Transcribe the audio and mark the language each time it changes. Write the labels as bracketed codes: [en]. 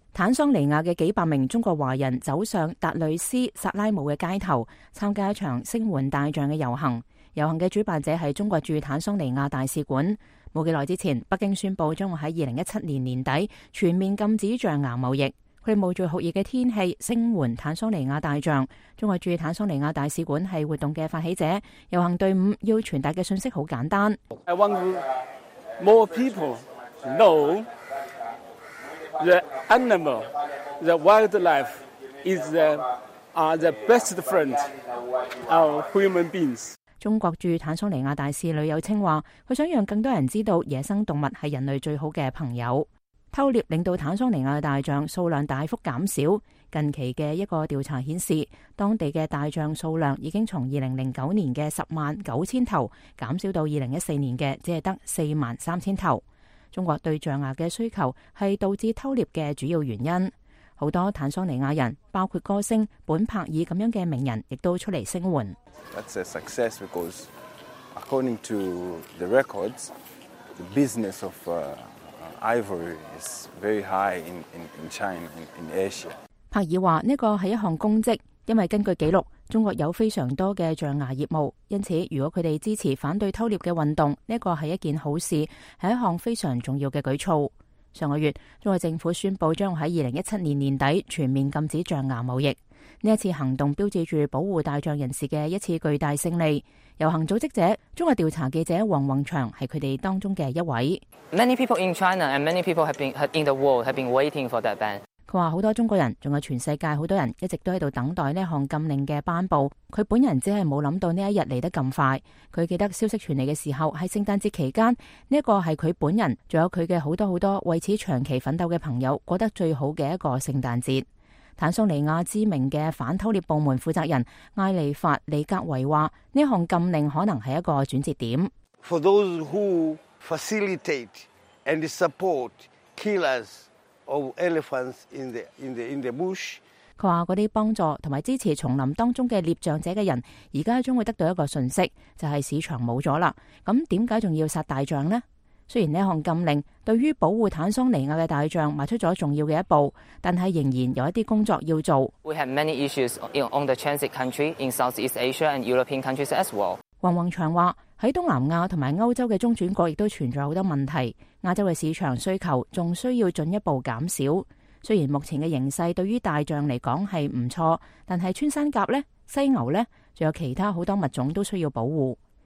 [zh] 坦桑尼亚的几百名中国华人走上达雷斯萨拉姆的街头参加一场星援大象的游行，游行的主办者是中国驻坦桑尼亚大使馆。没几耐之前，北京宣布将会在2017年年底全面禁止象牙贸易，他们冒着酷热的天气声援坦桑尼亚大象。中国驻坦桑尼亚大使馆是活动的发起者，游行队伍要传达的讯息很简单。 [en] More people know the animal, the wildlife is the best friend of human beings. [zh] 中国驻坦桑尼亚大使吕友清话，佢想让更多人知道野生动物是人类最好的朋友。偷猎令到坦桑尼亚的大象数量大幅减少。近期的一个调查显示，当地的大象数量已经从2009年的109,000头减少到2014年的只得43,000头。中国对象牙的需求是导致偷猎的主要原因。很多坦桑尼亚人，包括歌星本帕尔这样的名人，亦都出来声援。 [en] That's a success because according to the records, the business of ivory is very high in China, in Asia. [zh] 帕尔说这个是一项功绩，因为根据纪录，中国有非常多的象牙业务，因此如果他们支持反对偷猎的运动，这个是一件好事，是一项非常重要的举措。上个月，中国政府宣布将在2017年年底全面禁止象牙贸易。这次行动标志着保护大象人士的一次巨大胜利。游行组织者、中国调查记者王宏祥是他们当中的一位。 [en] Many people in China and many people have been in the world have been waiting for that ban。 [zh] 他说很多中国人，还有全世界很多人一直都在等待这项禁令的颁布。他本人只是没想到这一日来得这么快。他记得消息传来的时候是圣诞节期间，这个是他本人还有他的很多很多为此长期奋斗的朋友过得最好的一个圣诞节。坦桑尼亚知名的反偷猎部门负责人艾利法·里格维说，这项禁令可能是一个转折点。 [en] For those who facilitate and support killers,of elephants in the bush. [zh] 他说那些帮助和支持丛林当中的猎象者的人现在将会得到一个讯息，就是市场没了。那为什么还要杀大象呢？虽然这项禁令对于保护坦桑尼亚的大象迈出了重要的一步，但是仍然有一些工作要做。 [en] We have many issues on the transit country in Southeast Asia and European countries as well. [zh] 王宏祥说，在东南亚和欧洲的中转国亦都存在很多问题，亚洲的市场需求还需要进一步减少。虽然目前的形势对于大象来说是不错，但是穿山甲、犀牛还有其他很多物种都需要保护。